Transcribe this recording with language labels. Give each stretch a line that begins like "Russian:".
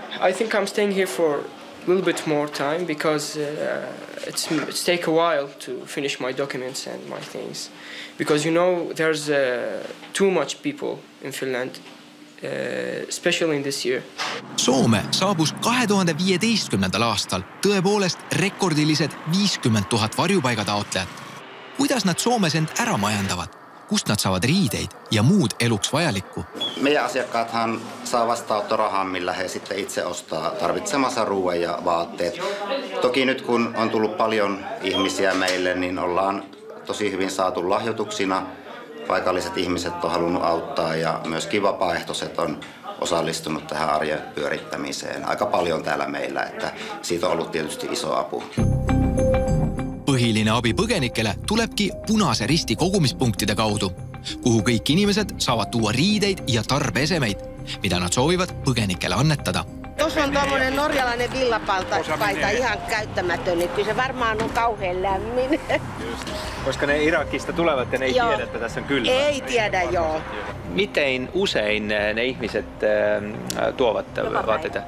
English: I think I'm staying here for a little bit more time because it's take a while to finish my documents and my things. Because you know, there's too much people in Finland, especially in this year.
Estonian: Soome saabus 2015. aastal tõepoolest rekordilised 50 000 varjupaigataotlejat. Kuidas nad Soomes end ära majandavad? Kust nad saavad riideid ja muud eluks vajalikku.
Finnish: Meie asiakkaathan saa vastaanottorahaa, millä he sitten itse ostaa tarvitsemansa ruoan ja vaatteet. Toki nyt kun on tullut paljon ihmisiä meille, niin ollaan tosi hyvin saatu lahjoituksina. Paikalliset ihmiset on halunnut auttaa ja myöskin vapaaehtoiset on osallistunut tähän arjen pyörittämiseen. Aika paljon täällä meillä, että siitä on ollut tietysti iso apu.
Estonian: Põhiline abi põgenikele tulebki punase risti kogumispunktide kaudu, kuhu kõik inimesed saavad tuua riideid ja tarbeesemeid, mida nad soovivad põgenikele annetada.
Finnish: Tuossa on tuollainen norjalainen villapaita, ihan käyttämätön, niin kyllä se varmaan on kauhean lämmin. Just. Koska ne Irakista tulevat ja ne ei joo. Tiedä, että tässä on kylmä. Ei tiedä, joo. Miten usein ne ihmiset tuovat vaatteita?